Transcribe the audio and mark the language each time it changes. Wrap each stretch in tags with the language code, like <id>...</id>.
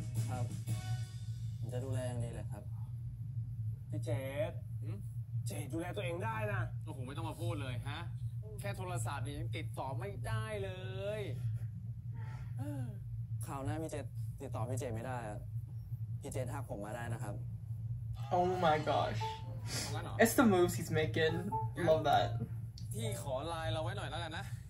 <th>ครับผมจะดูแลอย่างดีเลยครับ พี่เจมเจมดูแลตัวเองได้นะ โอ้โหไม่ต้องมาพูดเลยฮะแค่โทรศัพท์นี่ยังติดต่อไม่ได้เลย ข่าวหน้าพี่เจมติดต่อพี่เจมไม่ได้พี่เจมทักผมมาได้นะครับ</th> <en>Oh my gosh It's the moves he's making Love that</en> <th>พี่ขอไลน์เราไว้หน่อยแล้วกันนะ</th>